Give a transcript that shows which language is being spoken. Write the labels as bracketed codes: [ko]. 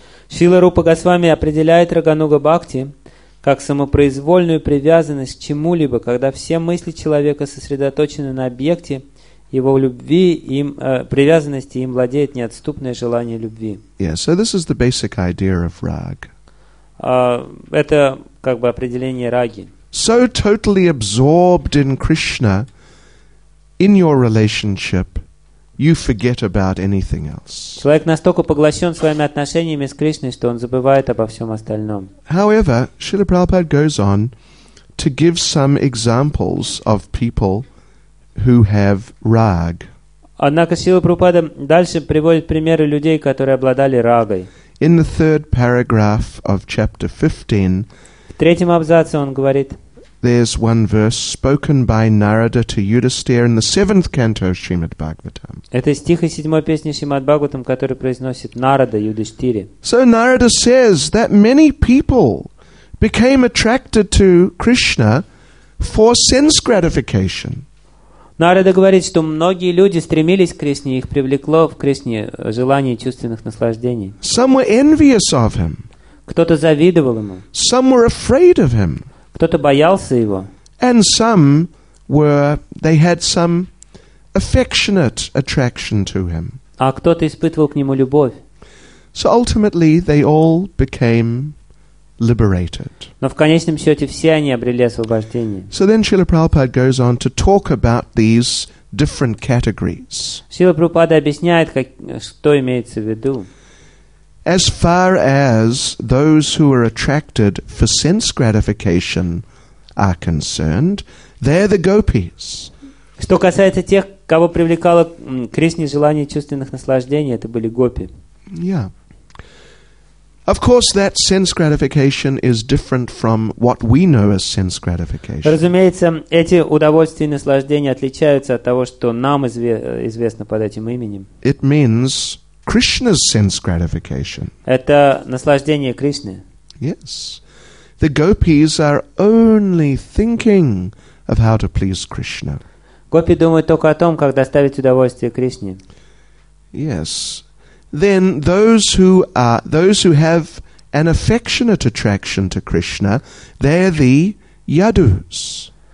[ru] Шрила Рупа Госвами определяет Рагануга Бхакти как самопроизвольную привязанность к чему-либо, когда все мысли человека сосредоточены на объекте, его любви, им, привязанности им владеет неотступное желание любви. [en] Yeah, so this is the basic idea of rag. [ru] Это как бы определение раги. [en] So totally absorbed in Krishna, in your relationship, you forget about anything else. [ru] Человек настолько поглощен своими отношениями с Кришной, что он забывает обо всем остальном. [en] However, Srila Prabhupada goes on to give some examples of people who have rag. [ru] Однако Шрила Прабхупада дальше приводит примеры людей, которые обладали рагой. [en] In the third paragraph of chapter 15, [ru] в третьем абзаце он говорит, [en] there's one verse spoken by Narada to Yudhisthira in the seventh canto of Srimad Bhagavatam. [ru] Это стих из седьмой песни Шримад Бхагаватам, который произносит Нарада Юдиштире. [en] So Narada says that many people became attracted to Krishna for sense gratification. [ru] Нарада говорит, что многие люди стремились к Кришне, их привлекло в Кришне желание чувственных наслаждений. [en] Some were envious of him. [ru] Кто-то завидовал ему. [en] Some were afraid of him. [ru] Кто-то боялся его. [en] And some were, they had some affectionate attraction to him. [ru] А кто-то испытывал к нему любовь. [en] So ultimately they all became liberated. [ru] Но в конечном счете все они обрели освобождение. [en] So then Srila Prabhupada goes on to talk about these different categories. [ru] Srila Prabhupada объясняет, как, что имеется в виду. [en] As far as those who are attracted for sense gratification are concerned, they're the gopis. [ru] Что касается тех, кого привлекало Кришне желание чувственных наслаждений, это были гопи. [en] Yeah. Of course, that sense gratification is different from what we know as sense gratification. [ru] Разумеется, эти удовольствия и наслаждения отличаются от того, что нам известно под этим именем. [en] It means Krishna's sense gratification. [ru] Это наслаждение Кришны. [en] Yes. The gopis are only thinking of how to please Krishna. [ru] Гопи думают только о том, как доставить удовольствие Кришне. [en] Yes. Then those who have an affectionate attraction to Krishna, they're the yadus.